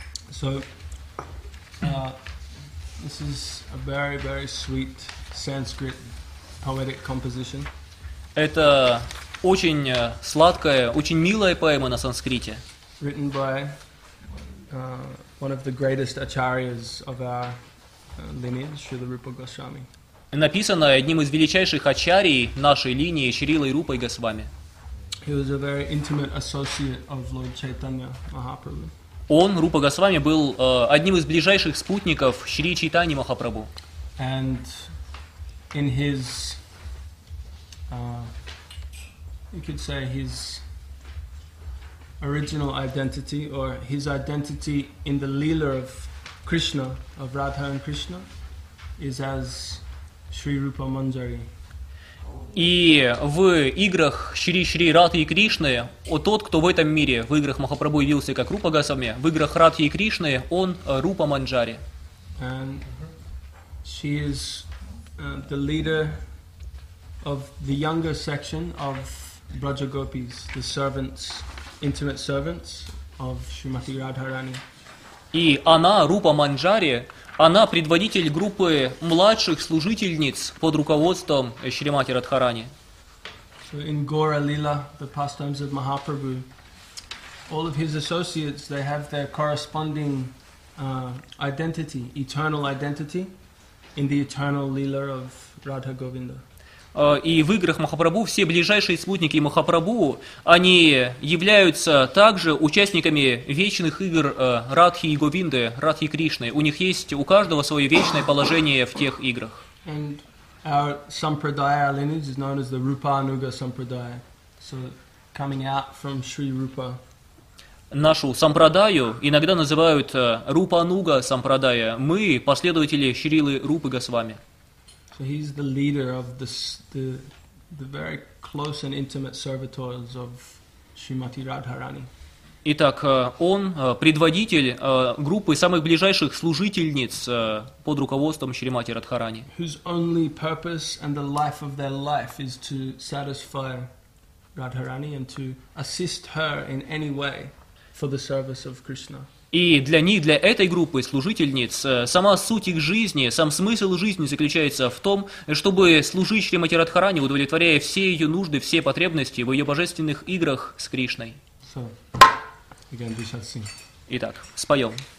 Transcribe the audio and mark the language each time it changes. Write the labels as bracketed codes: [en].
[en] So, this is a very, very sweet Sanskrit poetic composition. [ru] Это очень сладкая, очень милая поэма на санскрите. [en] Written by one of the greatest acharyas of our lineage, Srila Rupa Goswami. [ru] Написанная одним из величайших ачарий нашей линии Шрилой Рупой Госвами. [en] He was a very intimate associate of Lord Chaitanya Mahaprabhu. [ru] Он, Рупа Госвами, был одним из ближайших спутников Шри Чайтани Махапрабху. [en] And in his, you could say his original identity, or his identity in the Leela of Krishna, of Radha and Krishna, is as Sri Rupa Manjari. [ru] И в играх Шри-Шри Радхи и Кришны, тот, кто в этом мире в играх Махапрабху явился как Рупа Госвами, в играх Радхи и Кришны, он Рупа Манджари. [en] And she is the leader of the younger section of Braja Gopis, the servants, intimate servants of Shrimati Radharani. [ru] И она, Рупа Манджари, она предводитель группы младших служительниц под руководством Шримати Радхарани. [en] So in Gaura Lila, the pastimes of Mahaprabhu, all of his associates, they have their corresponding identity, eternal identity, in the eternal Lila of Radha Govinda. [ru] И в играх Махапрабху все ближайшие спутники Махапрабху, они являются также участниками вечных игр Радхи и Говинды, Радхи и Кришны. У них есть у каждого свое вечное положение в тех играх. [en] And our Sampradaya lineage is known as the Rupa Anuga Sampradaya. So coming out from Sri Rupa. [ru] Нашу Сампрадаю иногда называют Рупа Ануга Сампрадая. Мы последователи Шрилы Рупы Госвами. [en] So he's the leader of the very close and intimate servitors of [ru] Шримати Радхарани. Итак, он предводитель группы самых ближайших служительниц под руководством Шримати Радхарани. [en] Whose only purpose and the life of their life is to satisfy Radharani and to assist her in any way for the service of Krishna. [ru] И для них, для этой группы служительниц, сама суть их жизни, сам смысл жизни заключается в том, чтобы служить Шримати Радхарани, удовлетворяя все ее нужды, все потребности в ее божественных играх с Кришной. [en] So. Again, we shall sing. [ru] Итак, споем.